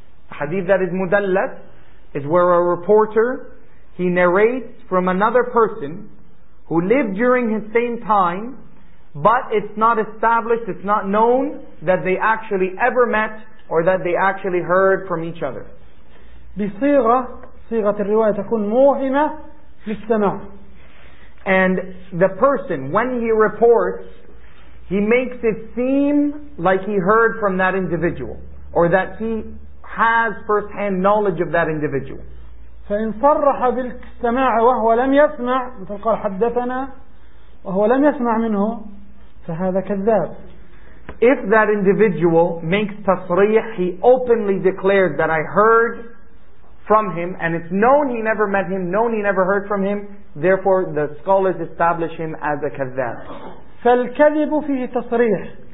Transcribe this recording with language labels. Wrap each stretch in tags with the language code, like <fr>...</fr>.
<en>A hadith that is mudallas is where a reporter, he narrates from another person who lived during his same time, but it's not established, it's not known that they actually ever met or that they actually heard from each other.</en> <ar>بصيغة صيغة الرواية تكون موهمة للسماع.</ar> <en>And the person, when he reports, he makes it seem like he heard from that individual, or that he has first-hand knowledge of that individual.</en> <ar>فإن صرح بالسماع وهو لم يسمع، مثل قال حدثنا وهو لم يسمع منه، فهذا كذاب.</ar> <en>If that individual makes تصريح, he openly declares that I heard from him, and it's known he never met him, known he never heard from him, therefore the scholars establish him as a kazzab.</en> <ar>فالكذب فيه تصريح.</ar>